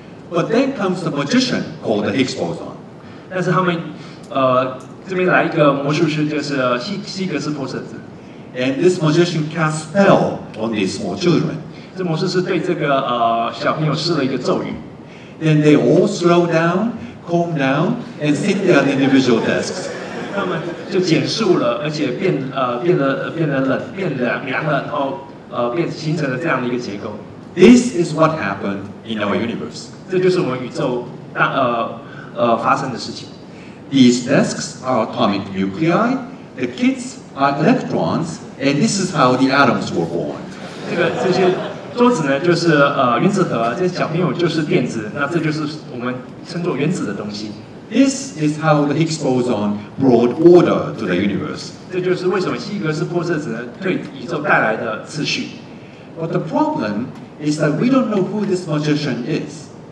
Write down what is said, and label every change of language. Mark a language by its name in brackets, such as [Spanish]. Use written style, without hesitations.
[English] But then comes the magician called the Higgs boson. [Chinese] 但是他们这边来一个魔术师，就是希格斯玻色子。 [English] And this magician cast spell on these small children. [Chinese] 这魔术师对这个小朋友施了一个咒语。 [English] Then they all slow down. Calm down and sit there at individual desks. [Chinese] 他们就减速了，而且变得凉了，然后变形成了这样的一个结构。 [English] This is what happened in our universe. [Chinese] 这就是我们宇宙发生的事情。 [English] These desks are atomic nuclei. The kids are electrons, and this is how the atoms were born. [Chinese] 这些桌子呢，就是原子核，这些小朋友就是电子，那这就是我们称作原子的东西。 [English] This is how the Higgs boson brought order to the universe. [Chinese] 这就是为什么希格斯玻色子对宇宙带来的秩序。 [English] But the problem is that we don't know who this magician is.